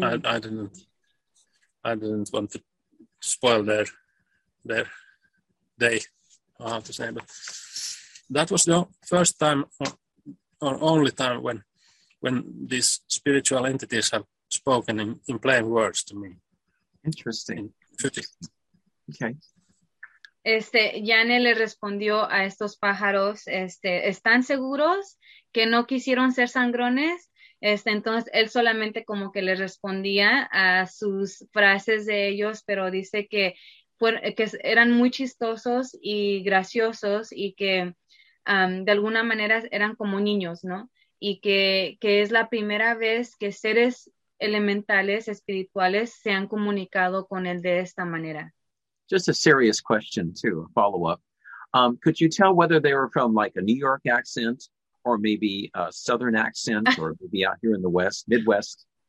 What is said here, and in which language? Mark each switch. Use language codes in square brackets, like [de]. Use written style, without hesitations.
[en] I didn't want to spoil their day, I have to say. But that was the first time or only time when these spiritual entities have spoken in plain words to me. Interesting. Okay. [es] Janne le respondió a estos pájaros, ¿están seguros que no quisieron ser sangrones? Entonces, él solamente como que le respondía a sus frases de ellos, pero dice que eran muy chistosos y graciosos y que de alguna manera eran como niños, ¿no? Y que es la primera vez que seres elementales, espirituales, se han comunicado con él de esta manera. [en] Just a serious question, too, a follow-up. Could you tell whether they were from, like, a New York accent, or maybe a Southern accent, or maybe out here in the West, Midwest?